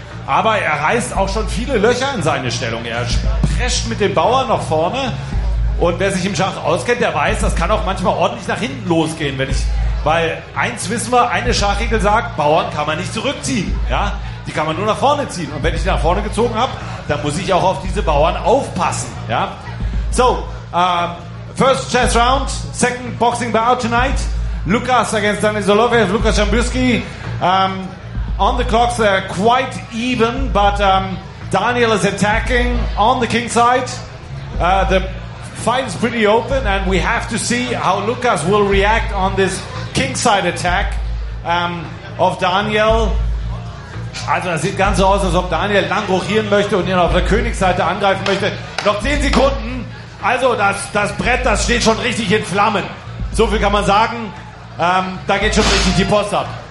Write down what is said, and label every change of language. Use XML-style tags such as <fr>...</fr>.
<de>Aber er reißt auch schon viele Löcher in seine Stellung. Er prescht mit dem Bauern nach vorne. Und wer sich im Schach auskennt, der weiß, das kann auch manchmal ordentlich nach hinten losgehen. Weil eins wissen wir, eine Schachregel sagt, Bauern kann man nicht zurückziehen. Ja? Die kann man nur nach vorne ziehen. Und wenn ich nach vorne gezogen habe, dann muss ich auch auf diese Bauern aufpassen. Ja?</de> <en>So, first chess round, second boxing bout tonight. Lukas against Daniel Soloviev, Lukas Zambrycki. On the clocks, they're quite even, but Daniel is attacking on the king side. The fight is pretty open, and we have to see how Lukas will react on this king side attack of Daniel.</en> <de>Also das sieht ganz so aus, als ob Daniel lang rochieren möchte und ihn auf der Königsseite angreifen möchte. Noch 10 Sekunden. Also das Brett, das steht schon richtig in Flammen. So viel kann man sagen. Da geht schon richtig die Post ab.</de>